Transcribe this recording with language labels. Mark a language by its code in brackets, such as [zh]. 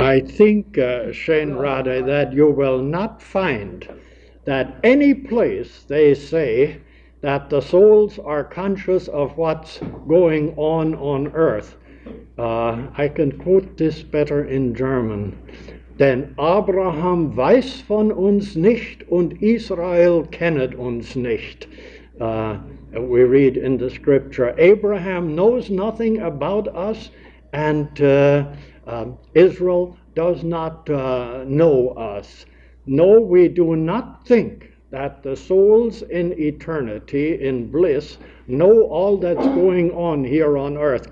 [en] I think, Shane Roddy, that you will not find that any place they say that the souls are conscious of what's going on earth. I can quote this better in German. [de] Denn Abraham weiß von uns nicht und Israel kennet uns nicht. [en] We read in the scripture, Abraham knows nothing about us and Israel does not know us. No, we do not think that the souls in eternity, in bliss, know all that's going on here on earth.